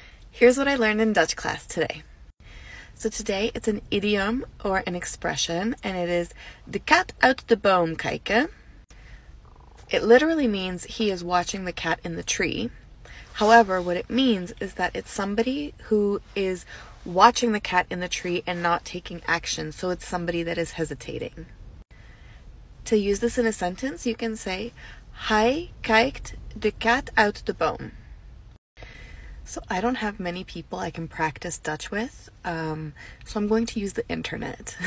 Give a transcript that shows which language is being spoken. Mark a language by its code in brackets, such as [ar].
[en] Here's what I learned in Dutch class today. So today it's an idiom or an expression, and it is [nl] de kat uit de boom kijken. [en] It literally means he is watching the cat in the tree. However, what it means is that it's somebody who is watching the cat in the tree and not taking action. So it's somebody that is hesitating. To use this in a sentence, you can say [nl] hij kijkt de kat uit de boom. [en] So I don't have many people I can practice Dutch with, so I'm going to use the internet.